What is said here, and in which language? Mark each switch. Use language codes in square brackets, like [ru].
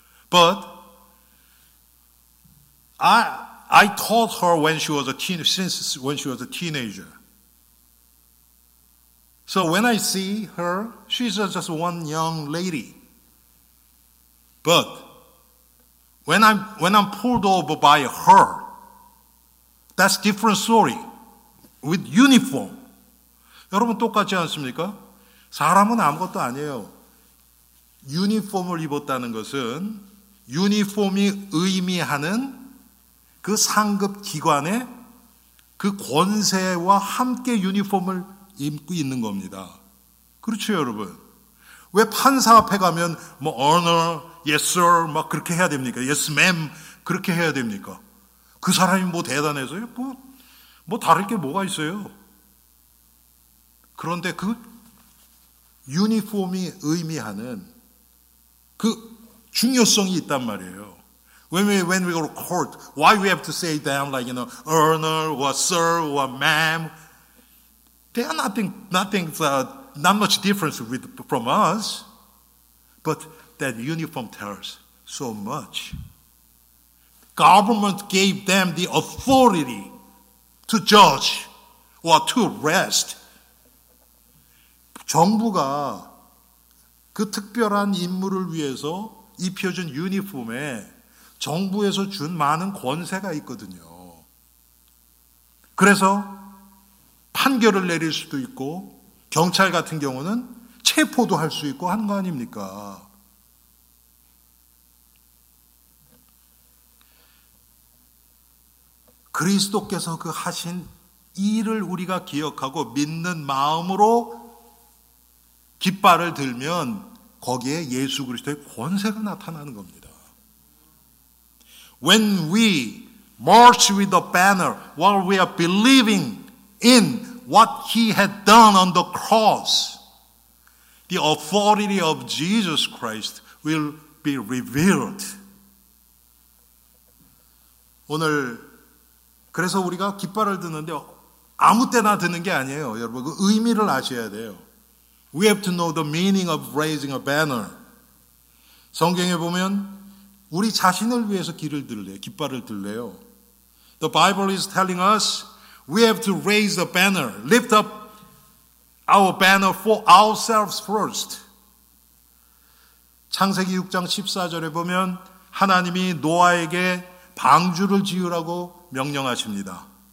[en] But I taught her when she was a teenager. So when I see her, she's just one young lady. But when I'm pulled over by her, that's different story. With uniform. [ko] 여러분 똑같지 않습니까? 사람은 아무것도 아니에요. 유니폼을 입었다는 것은 유니폼이 의미하는 그 상급 기관의 그 권세와 함께 유니폼을 입고 있는 겁니다. 그렇죠, 여러분? 왜 판사 앞에 가면 뭐 [en] honor, yes sir [ko] 막 그렇게 해야 됩니까? [en] Yes ma'am [ko] 그렇게 해야 됩니까? 그 사람이 뭐 대단해서요? 뭐 다를 게 뭐가 있어요? 그런데 그 유니폼이 의미하는 그 중요성이 있단 말이에요. [en] When we go to court, why we have to say them like, you know, earner, or sir, or ma'am? They are not much difference from us. But that uniform tells so much. Government gave them the authority to judge or to arrest. [ko] 정부가 그 특별한 임무를 위해서 입혀준 유니폼에 정부에서 준 많은 권세가 있거든요. 그래서 판결을 내릴 수도 있고 경찰 같은 경우는 체포도 할 수 있고 한 거 아닙니까? 그리스도께서 그 하신 일을 우리가 기억하고 믿는 마음으로 깃발을 들면 거기에 예수 그리스도의 권세가 나타나는 겁니다. [en] When we march with the banner while we are believing in what he had done on the cross, the authority of Jesus Christ will be revealed. [ko] 오늘 그래서 우리가 깃발을 드는데 아무 때나 드는 게 아니에요. 여러분 그 의미를 아셔야 돼요. [en] We have to know the meaning of raising a banner. [ko] 성경에 보면 우리 자신을 위해서 길을 들래요. 깃발을 들래요. [en] The Bible is telling us we have to raise a banner. Lift up our banner for ourselves first. [ko] 창세기 6장 14절에 보면 하나님이 노아에게 방주를 지으라고 명령하십니다.